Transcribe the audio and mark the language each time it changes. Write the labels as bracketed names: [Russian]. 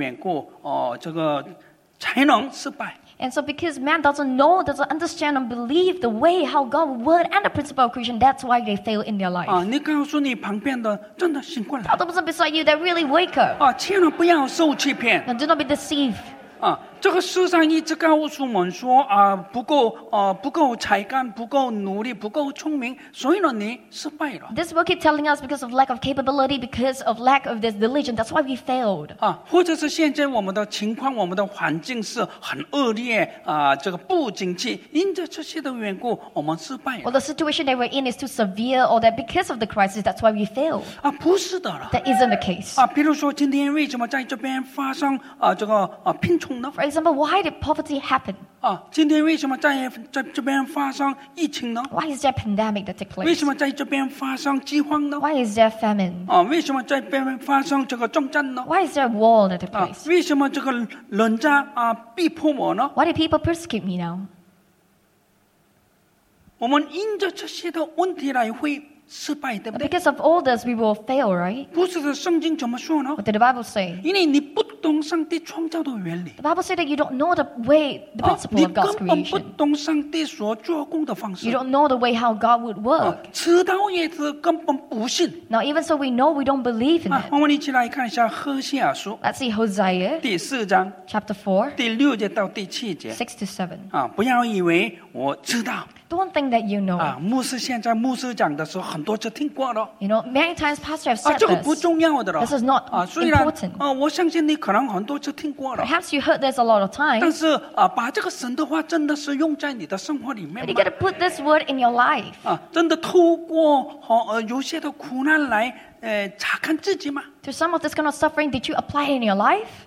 [Chinese] 所以呢，人呢不懂上帝创造的原理，或者是上帝所做工的方式，不懂这些的，或者是不明白，或者是不信的缘故，这个才能失败。 [English] And so because man doesn't know, doesn't understand and believe the way how God word and the principle of creation, that's why they fail in their life. [Chinese] 你告诉你旁边的真的醒过来。 [English] Tell the person beside you that really wake up. [Chinese] 千万不要受欺骗。 [English] And do not be deceived. [Chinese] 这个世上一直告诉我们说，不够才干，不够努力，不够聪明，所以呢，你失败了。 [English] This book is telling us because of lack of capability, because of lack of this diligence, that's why we failed. [Chinese] 或者是现在我们的情况，我们的环境是很恶劣，这个不景气，因着这些的缘故，我们失败了。 [English] Well, the situation they were in is too severe, or that because of the crisis, that's why we failed. [Chinese] 不是的了。 [English] That isn't the case. [Chinese] 比如说今天为什么在这边发生这个贫穷呢？ [English] For example, why did poverty happen? [Chinese] 今天为什么在这边发生疫情呢? [English] Why is there a pandemic that takes place? [Chinese] 为什么在这边发生饥荒呢? [English] Why is there famine? [Chinese] 为什么在这边发生这个重战呢? [English] Why is there a war that takes place? [Chinese] 为什么这个人家逼迫我呢? [English] Why do people persecute me now? [Chinese] 我们因着这些的问题来会 失败，对不对? [English] Because of all this, we will fail, right? [Chinese] 不是的，圣经怎么说呢? [English] What did the Bible say? [Chinese] 因为你不懂上帝创造的原理。 [English] The Bible said that you don't know the way, the principle of God's creation. [Chinese] 你根本不懂上帝所做工的方式。 [English] You don't know the way how God would work. [Chinese] 知道也是根本不信。 [English] Now, even so, we know we don't believe in it. [Chinese] 我们一起来看一下何西阿书。 [English] Let's see Hosea. [Chinese] 第4章。 [English] Chapter 4. [Chinese] 第6节到第7节。 [English] 6 to 7. [Chinese] 不要以为我知道。 [English] Don't think that you know. [Chinese] 牧师现在牧师讲的时候，很多就听过了。 [English] You know, many times pastors have said this. [Chinese] 这个不重要的了。 [English] This is not important. [Chinese] 我相信你可能很多就听过了。 [English] Perhaps you heard this a lot of times. [Chinese] 但是 把这个神的话真的是用在你的生活里面吗？ [English] But you got to put this word in your life. [Chinese] 真的透过有些的苦难来。查看自己吗? [English] To some of this kind of suffering, did you apply it in your life?